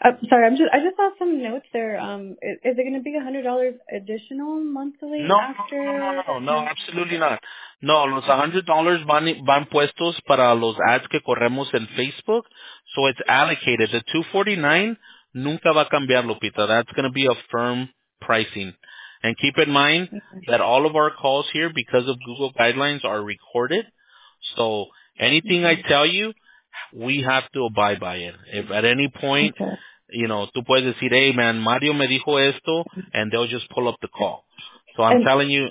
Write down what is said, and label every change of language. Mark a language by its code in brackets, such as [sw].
[en] Sorry, I just saw some notes there. Is it going to be $100 additional monthly? No, absolutely not. [es] No, los $100 van puestos para los ads que corremos en Facebook, [en] so it's allocated. [es] The $249 nunca va a cambiar, Lupita. [en] That's going to be a firm pricing. And keep in mind that all of our calls here, because of Google guidelines, are recorded. So anything I tell you, we have to abide by it. If at any point, you know, [es] tú puedes decir, [en] hey, man, Mario me dijo esto, and they'll just pull up the call. So I'm telling you.